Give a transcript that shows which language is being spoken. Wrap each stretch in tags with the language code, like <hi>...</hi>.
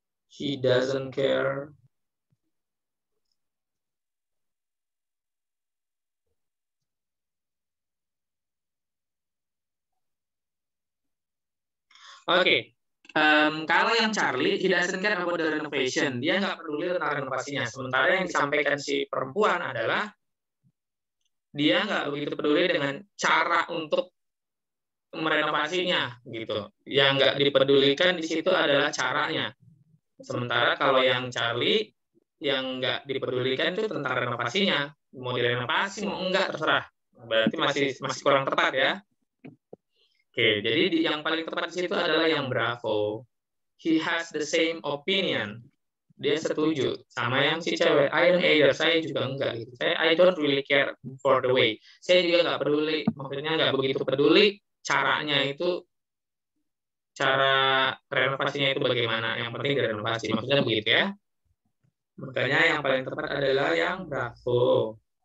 <en>She doesn't care. Oke. Okay.</en> <id>Kalau yang</id> <en>Charlie, he doesn't care about the renovation.</en> <id>Dia nggak peduli tentang renovasinya. Sementara yang disampaikan si perempuan adalah dia nggak begitu peduli dengan cara untuk merenovasinya gitu. Yang nggak dipedulikan di situ adalah caranya. Sementara kalau yang Charlie yang nggak diperdulikan itu tentang renovasinya, mau direnovasi mau enggak terserah, berarti masih kurang tepat ya. Oke, jadi yang paling tepat di situ adalah yang Bravo.</id> <en>He has the same opinion.</en> <id>Dia setuju sama yang si cewek.</id> <en>I don't either.</en> <id>Saya juga enggak.</id> <en>Saya I don't really care for the way.</en> <id>Saya juga enggak peduli. Maksudnya enggak begitu peduli caranya itu, cara renovasinya itu bagaimana. Yang penting direnovasi. Maksudnya begitu ya. Makanya yang paling tepat adalah yang Bravo.</id>